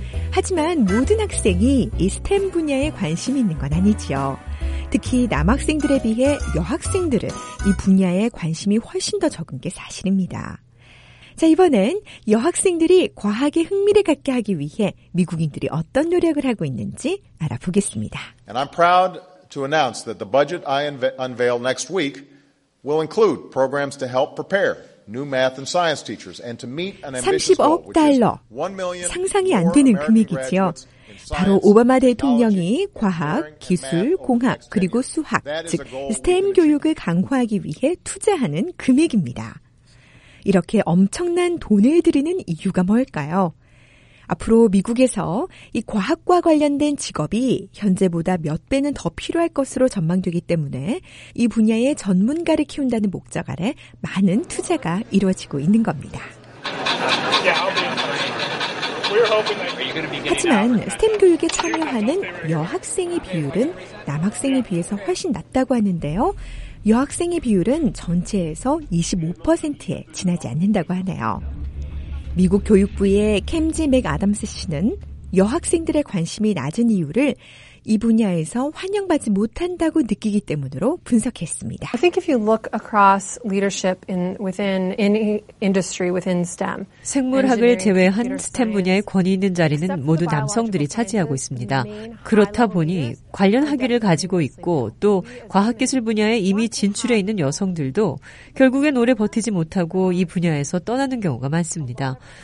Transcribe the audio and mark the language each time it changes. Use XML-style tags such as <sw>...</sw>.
<ko>하지만 모든 학생이 이 STEM 분야에 관심이 있는 건 아니지요. 특히 남학생들에 비해 여학생들은 이 분야에 관심이 훨씬 더 적은 게 사실입니다. 자, 이번엔 여학생들이 과학에 흥미를 갖게 하기 위해 미국인들이 어떤 노력을 하고 있는지 알아보겠습니다.</ko> <en>And I'm proud to announce that the budget I unveil next week will include programs to help prepare new math and science teachers and to meet an ambitious goal.</en> <ko>30억 달러. 상상이 안 되는 금액이지요. 바로 오바마 대통령이 과학, 기술, 공학, 그리고 수학, 즉 STEM 교육을 강화하기 위해 투자하는 금액입니다. 이렇게 엄청난 돈을 들이는 이유가 뭘까요? 앞으로 미국에서 이 과학과 관련된 직업이 현재보다 몇 배는 더 필요할 것으로 전망되기 때문에 이 분야의 전문가를 키운다는 목적 아래 많은 투자가 이루어지고 있는 겁니다. 하지만 STEM 교육에 참여하는 여학생의 비율은 남학생에 비해서 훨씬 낮다고 하는데요. 여학생의 비율은 전체에서 25%에 지나지 않는다고 하네요. 미국 교육부의 캠지 맥 아담스 씨는 여학생들의 관심이 낮은 이유를 이 분야에서 환영받지 못한다고 느끼기 때문으로 분석했습니다.</ko> <en>I think if you look across leadership in within any industry within STEM.</en> <ko>생물학을 제외한 STEM 분야에 권위 있는 자리는 모두 남성들이 차지하고 있습니다. 그렇다 보니 관련 학위를 가지고 있고 또 과학기술 분야에 이미 진출해 있는 여성들도 결국엔 오래 버티지 못하고 이 분야에서 떠나는 경우가 많습니다.</ko>